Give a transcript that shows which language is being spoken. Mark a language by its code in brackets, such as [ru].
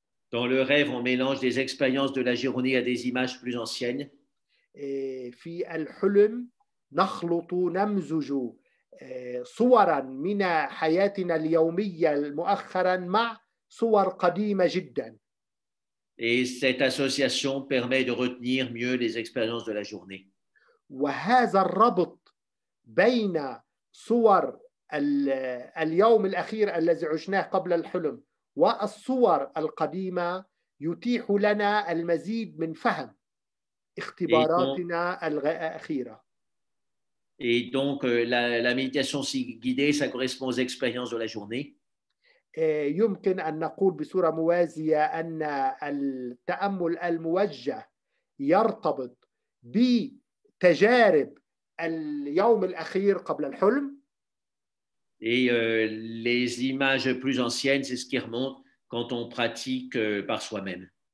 [fr] Dans le rêve, on mélange des expériences de la journée à des images plus anciennes. [ar] في الحلم نخلط نمزج صورا من حياتنا اليومية مؤخرا مع صور قديمة جدا. [fr] Et cette association permet de retenir mieux les expériences de la journée. [ar] وهذا الربط بين صور اليوم الأخير الذي عشناه قبل الحلم والصور القديمة يتيح لنا المزيد من فهم اختباراتنا الأخيرة. [fr] Et donc la méditation guidée, ça correspond aux expériences de la journée. [ar] يمكن أن نقول بصورة موازية أن التأمل الموجه يرتبط بتجارب اليوم الأخير قبل الحلم. [fr] Et les images plus anciennes, c'est ce qui remonte quand on pratique par soi-même.